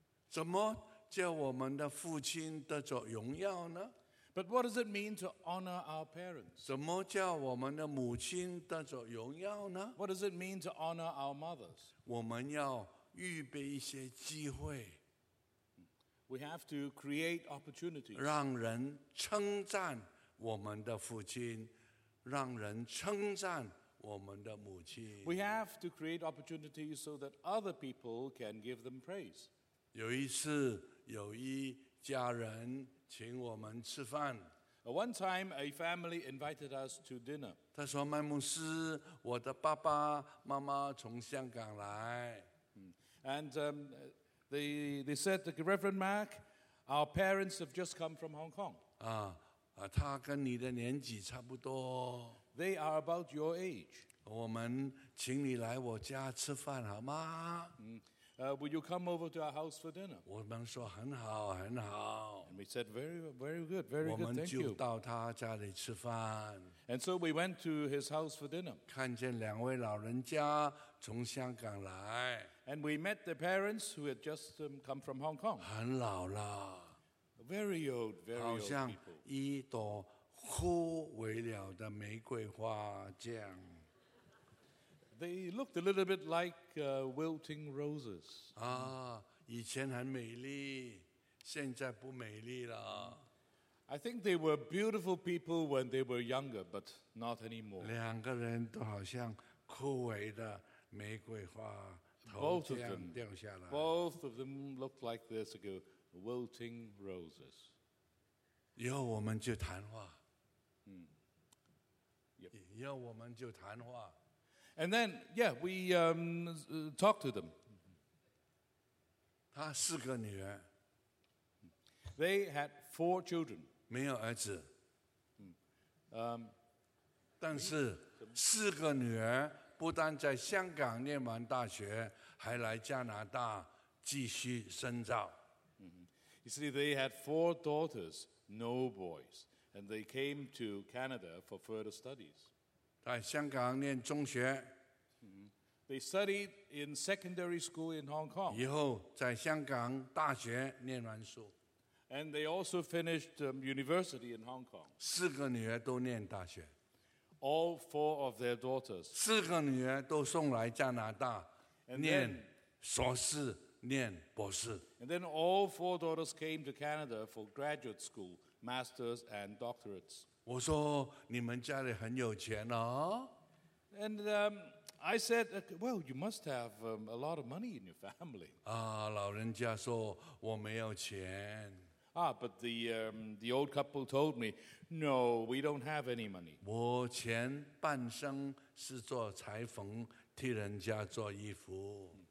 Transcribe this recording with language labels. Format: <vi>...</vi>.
<zh>怎么叫我们的父亲得着荣耀呢？</zh> <en>But what does it mean to honor our parents?</en> <zh>怎么叫我们的母亲得着荣耀呢？</zh> <en>What does it mean to honor our mothers?</en> <zh>我们要预备一些机会。</zh> <en>We have to create opportunities.</en> <zh>让人称赞我们的父亲，让人称赞我们的母亲。</zh> <en>We have to create opportunities so that other people can give them praise.</en> <zh>有一次，有一家人请我们吃饭。</zh> <en>One time, a family invited us to dinner.</en> <zh>他说：“麦牧师，我的爸爸妈妈从香港来。</zh> <en>”And they said, "Reverend Mark, our parents have just come from Hong Kong."</en> <zh>他跟你的年纪差不多。</zh> <en>They are about your age.</en> <zh>我们请你来我家吃饭好吗？</zh> <en>Will you come over to our house for dinner?</en> <zh>我们说很好，很好。</zh> <en>And we said very, very good, very good. Thank you.</en> <zh>我们就到他家里吃饭。</zh> <en>And so we went to his house for dinner.</en> <zh>看见两位老人家从香港来。</zh> <en>And we met the parents who had just come from Hong Kong.</en> <zh>很老了。</zh> <en>Very old, very old people.</en> <zh>好像一朵枯萎了的玫瑰花这样。</zh> <en>They looked a little bit like wilting roses.</en> <zh>啊，以前很美丽，现在不美丽了。</zh> <en>I think they were beautiful people when they were younger, but not anymore.</en> <zh>两个人都好像枯萎的玫瑰花，头这样掉下来。</zh> <en>Both of them looked like this ago, wilting roses.</en> <zh>以后我们就谈话。</zh> <en>Yep.</en> <zh>以后我们就谈话。</zh> <en>And then, yeah, we talked to them.</en> <zh>她四个女儿。 They had four children. 没有儿子。但是四个女儿不但在香港念完大学，还来加拿大继续深造。</zh> <en>You see, they had four daughters, no boys, and they came to Canada for further studies.</en> <zh>在香港念中学。</zh> <en>They studied in secondary school in Hong Kong.</en> <zh>以后在香港大学念完书。</zh> <en>And they also finished university in Hong Kong.</en> <zh>四个女儿都念大学。</zh> <en>All four of their daughters.</en> <zh>四个女儿都送来加拿大念硕士、念博士。</zh> <en>And then all four daughters came to Canada for graduate school, masters and doctorates.</en> <zh>我说你们家里很有钱哦。</zh> <en>And I said, well, you must have a lot of money in your family.</en> <zh>啊，老人家说我没有钱。</zh> <en>Ah, but the old couple told me, no, we don't have any money.</en> <zh>我前半生是做裁缝，替人家做衣服。</zh>